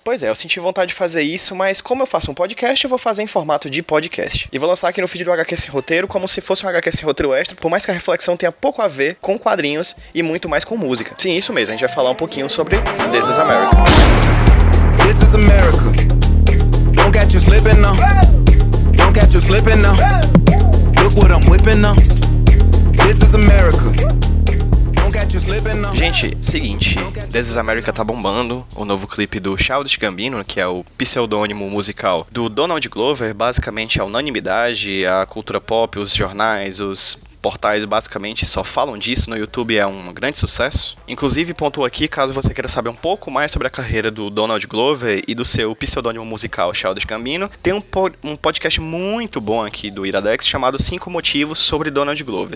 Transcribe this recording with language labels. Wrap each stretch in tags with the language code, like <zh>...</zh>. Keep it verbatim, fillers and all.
<pt>Pois é, eu senti vontade de fazer isso, mas como eu faço um podcast, eu vou fazer em formato de podcast. E vou lançar aqui no feed do H Q Sem Roteiro como se fosse um H Q Sem Roteiro extra, por mais que a reflexão tenha pouco a ver com quadrinhos e muito mais com música. Sim, isso mesmo, a gente vai falar um pouquinho sobre This is America.</pt> <en>This is America. Don't catch you slipping now. Don't catch you slipping now. Look what I'm whipping now. This is America. Don't get you slipping now.</en> <pt>Gente, seguinte, This is America tá bombando. O novo clipe do Childish Gambino, que é o pseudônimo musical do Donald Glover, basicamente a unanimidade, a cultura pop, os jornais, os portais basicamente só falam disso, no YouTube é um grande sucesso. Inclusive, pontuo aqui, caso você queira saber um pouco mais sobre a carreira do Donald Glover e do seu pseudônimo musical Childish Gambino, tem um, po- um podcast muito bom aqui do Iradex chamado cinco Motivos sobre Donald Glover.</pt>